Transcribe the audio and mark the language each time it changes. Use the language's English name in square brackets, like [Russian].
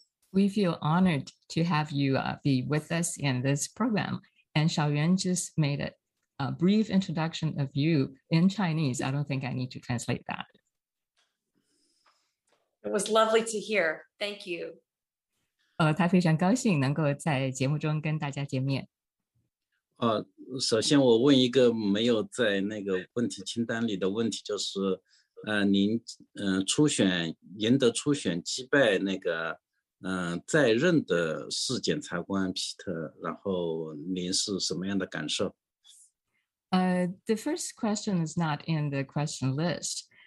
[English] We feel honored to have you be with us in this program. And Xiaoyuan just made a brief introduction of you in Chinese. I don't think I need to translate that. It was lovely to hear. Thank you. [Chinese] 他非常高兴能够在节目中跟大家见面。首先我问一个没有在那个问题清单里的问题，就是您初选赢得初选击败那个在任的市检察官皮特，然后您是什么样的感受？ [English] The first question is not in the question list.